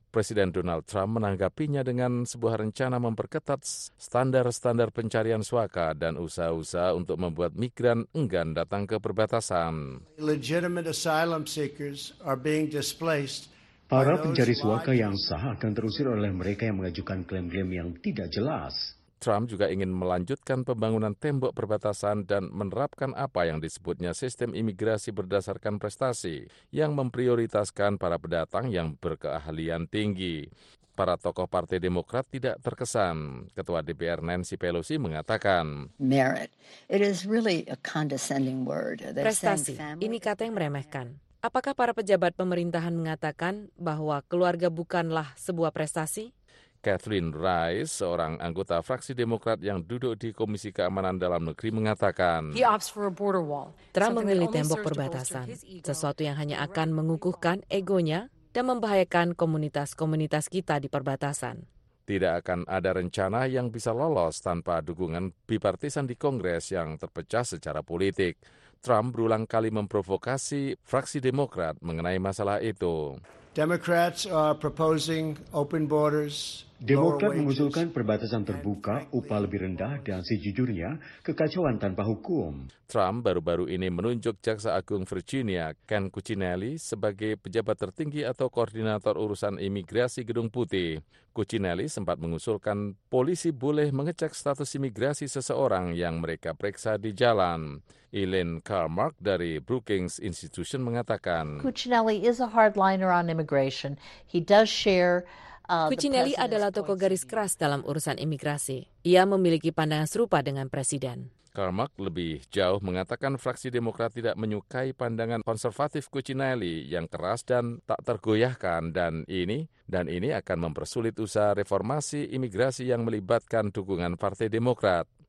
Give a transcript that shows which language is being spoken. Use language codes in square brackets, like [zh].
[id] Presiden Donald Trump menanggapinya dengan sebuah rencana memperketat standar-standar pencarian suaka dan usaha-usaha untuk membuat migran enggan datang ke perbatasan. [en] Legitimate asylum seekers are being displaced. [id] Para pencari suaka yang sah akan terusir oleh mereka yang mengajukan klaim-klaim yang tidak jelas. Trump juga ingin melanjutkan pembangunan tembok perbatasan dan menerapkan apa yang disebutnya sistem imigrasi berdasarkan prestasi yang memprioritaskan para pendatang yang berkeahlian tinggi. para tokoh Partai Demokrat tidak terkesan. Ketua DPR Nancy Pelosi mengatakan, [en] merit. It is really a condescending word. [id] Prestasi, ini kata yang meremehkan. Apakah para pejabat pemerintahan mengatakan bahwa keluarga bukanlah sebuah prestasi? Kathleen Rice, seorang anggota fraksi Demokrat yang duduk di Komisi Keamanan Dalam Negeri, mengatakan, Trump memilih tembok perbatasan, sesuatu yang hanya akan mengukuhkan egonya dan membahayakan komunitas-komunitas kita di perbatasan. Tidak akan ada rencana yang bisa lolos tanpa dukungan bipartisan di Kongres yang terpecah secara politik. Trump berulang kali memprovokasi fraksi Demokrat mengenai masalah itu. [en] Democrats are proposing open borders. [id] Demokrat mengusulkan perbatasan terbuka, upah lebih rendah, dan sejujurnya kekacauan tanpa hukum. Trump baru-baru ini menunjuk Jaksa Agung Virginia Ken Cuccinelli sebagai pejabat tertinggi atau koordinator urusan imigrasi Gedung Putih. Cuccinelli sempat mengusulkan polisi boleh mengecek status imigrasi seseorang yang mereka periksa di jalan. Elaine Karmark dari Brookings Institution mengatakan, [en] Cuccinelli is a hardliner on immigration. He does share. [id] Cuccinelli adalah tokoh garis keras dalam urusan imigrasi. Ia memiliki pandangan serupa dengan Presiden. Karmak lebih jauh mengatakan fraksi Demokrat tidak menyukai pandangan konservatif Cuccinelli yang keras dan tak tergoyahkan dan ini akan mempersulit usaha reformasi imigrasi yang melibatkan dukungan Partai Demokrat.